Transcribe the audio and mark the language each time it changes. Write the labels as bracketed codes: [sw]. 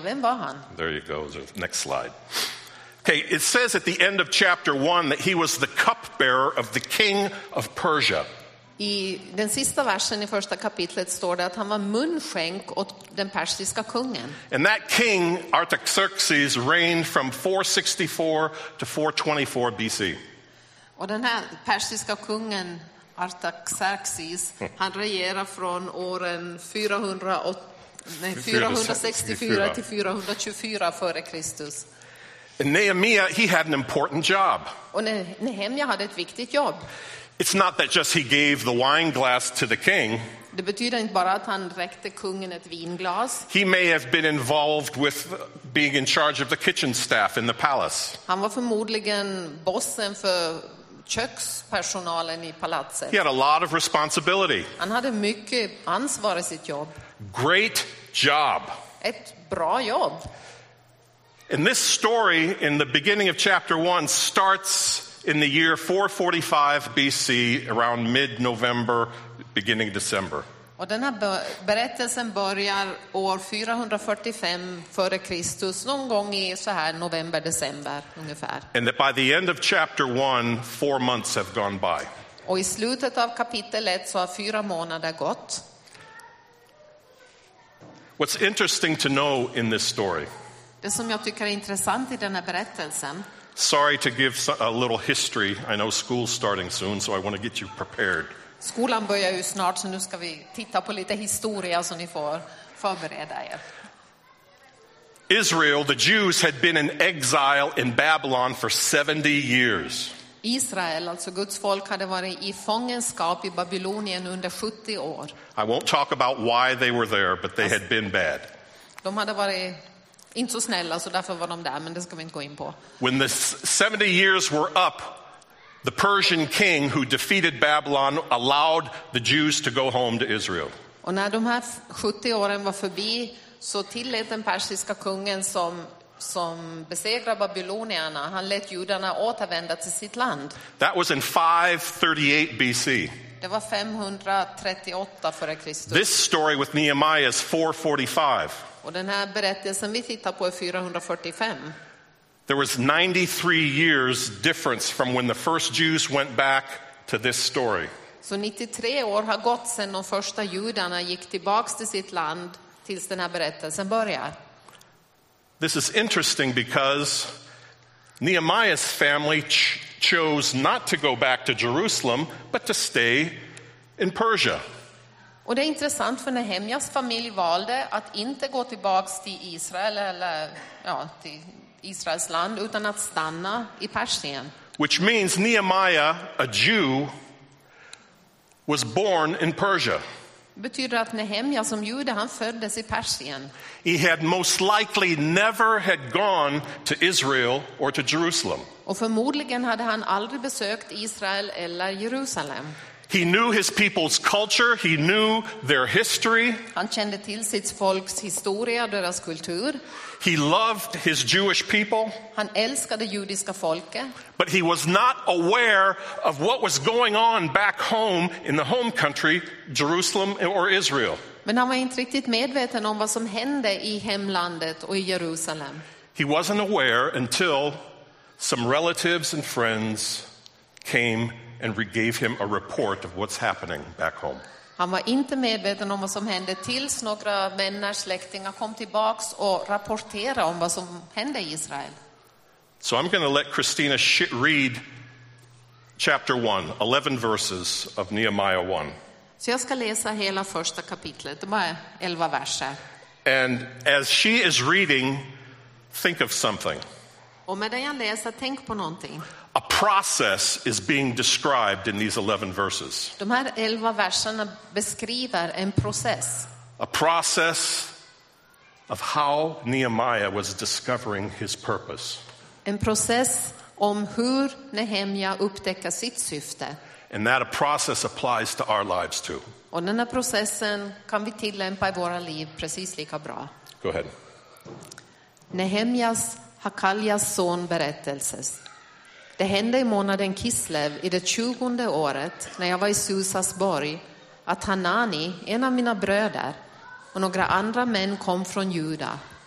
[sv] Vem var han? [en] There you go. Next slide. Okay, it says at the end of chapter 1 that he was the cupbearer of the king of Persia. [sv] I den sista versen i första kapitlet står det att han var munskänk åt den persiska kungen. [en] And that king Artaxerxes reigned from 464 to 424 BC. [sv] Och den här persiska kungen Artaxerxes, han regerar från åren 464 till 424 före Kristus. [en] And Nehemiah, he had an important job. [sv] Och Nehemia hade ett viktigt jobb. [en] It's not that just he gave the wine glass to the king. [sv] Det betyder inte bara att han räckte kungen ett vinglas. [en] He may have been involved with being in charge of the kitchen staff in the palace. [sv] Han var förmodligen bossen för kökspersonalen i palatset. [en] He had a lot of responsibility. [sv] Han hade mycket ansvar i sitt jobb. [en] Great job. [sv] Ett bra jobb. [en] And this story in the beginning of chapter 1 starts in the year 445 BC, around mid-November, beginning December. [sv] Och den här berättelsen börjar år 445 före Kristus, någon gång i så här november, december ungefär. [en] And that by the end of chapter 1, 4 months have gone by. [sv] Och i slutet av kapitel 1 så har 4 månader gått. [en] What's interesting to know in this story? [sv] Det som jag tycker är intressant i den här berättelsen. [en] Sorry to give a little history. I know school's starting soon, so I want to get you prepared. [sv] Skolan börjar ju snart, så nu ska vi titta på lite historia så ni får förbereda er. [en] Israel, the Jews, had been in exile in Babylon for 70 years. [sv] Israel, alltså Guds folk, hade varit i fångenskap i Babylonien under 70 år. [en] I won't talk about why they were there, but they had been bad. [sv] De hade varit inte så snälla, så därför var de där, men det ska vi inte gå in på. [en] When the 70 years were up, the Persian king who defeated Babylon allowed the Jews to go home to Israel. [sv] Och när de här 70 åren var förbi så tillät den persiska kungen som besegrade babylonierna, han lät judarna återvända till sitt land. [en] That was in 538 BC. [sv] Det var 538 före Kristus. [en] This story with Nehemiah is 445. [sv] Och den här berättelsen vi tittar på är 445. [en] There was 93 years difference from when the first Jews went back to this story. [sv] Så 93 år har gått sedan de första judarna gick tillbaka till sitt land tills den här berättelsen börjar. [en] This is interesting because Nehemiah's family chose not to go back to Jerusalem, but to stay in Persia. [sv] Och det är intressant för Nehemjas familj valde att inte gå tillbaka till Israel till Israels land, utan att stanna i Persien. [en] Which means Nehemiah, a Jew, was born in Persia. [sv] Betyder att Nehemja som jude, han föddes i Persien. [en] He had most likely never had gone to Israel or to Jerusalem. [sv] Och förmodligen hade han aldrig besökt Israel eller Jerusalem. [en] He knew his people's culture, he knew their history. [sv] Han kände till sitt folks historia, deras kultur. [en] He loved his Jewish people. [sv] Han älskade judiska folket. [en] But he was not aware of what was going on back home in the home country, Jerusalem or Israel. [sv] Men han var inte riktigt medveten om vad som hände i hemlandet och i Jerusalem. [en] He wasn't aware until some relatives and friends came and gave him a report of what's happening back home. [sv] Han var inte medveten om vad som hände tills några vänner, släktingar kom tillbaks och rapporterade om vad som hände i Israel. [en] So I'm going to let Christina read chapter 1, 11 verses of Nehemiah 1. [sv] Så jag ska läsa hela första kapitlet, bara 11 verser. [en] And as she is reading, think of something. [sv] Och medan jag läser, tänk på någonting. [en] A process is being described in these 11 verses. [sv] De här 11 verserna beskriver en process. [en] A process of how Nehemiah was discovering his purpose. [sv] En process om hur Nehemja upptäcker sitt syfte. [en] And that a process applies to our lives too. [sv] Och den här processen kan vi tillämpa i våra liv precis lika bra. [en] Go ahead. [sv] Nehemjas, Hakaljas son, berättelses. Det hände i månaden Kislev i det 20:e året när jag var i Susas borg att Hanani, en av mina bröder, och några andra män kom från Juda.